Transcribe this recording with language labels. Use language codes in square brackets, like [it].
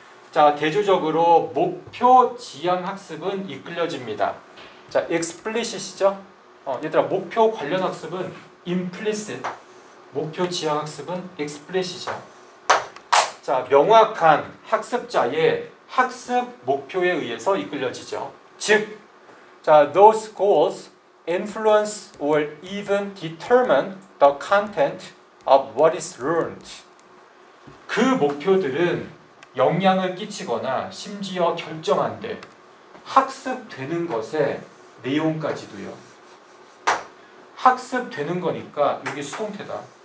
[ko] 자, 대조적으로 목표 지향 학습은 이끌려집니다. 자, explicit이죠? 얘들아, 목표 관련 학습은 implicit. 목표 지향 학습은 explicit이죠. 자, 명확한 학습자의 학습 목표에 의해서 이끌려지죠. 즉, 자, [en] those goals influence or even determine the content of what is learned. [ko] 그 목표들은 영향을 끼치거나 심지어 결정한대. 학습되는 것의 내용까지도요. 학습되는 거니까 이게 수동태다.